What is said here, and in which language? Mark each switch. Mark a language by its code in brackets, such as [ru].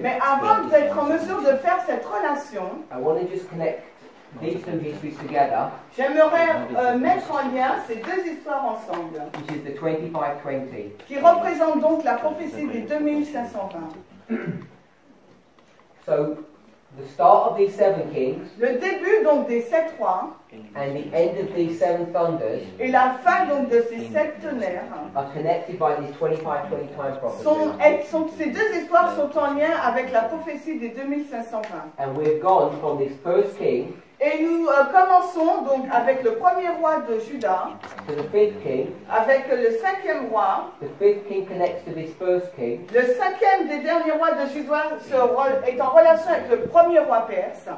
[fr] mais avant d'être en mesure de faire cette relation, [en] I want to just connect these two histories together. [fr] J'aimerais mettre en lien ces deux histoires ensemble. [en] Which is the 2520. [fr] Qui représente donc la prophétie des 2520. [en] So, the start of these seven kings. [fr] Le début donc des sept rois. [en] And the end of these seven thunders. [fr] Et la fin donc de ces sept tonnerres. [en] Are connected by these 2520 times prophecies. [fr] Ces deux histoires sont en lien avec la prophétie des 2520. [en] And we've gone from this first king. [fr] Et nous commençons donc avec le premier roi de Juda, avec le cinquième roi. [en] The fifth king connects to this first king. [fr] Le cinquième des derniers rois de Juda est en relation avec le premier roi perse.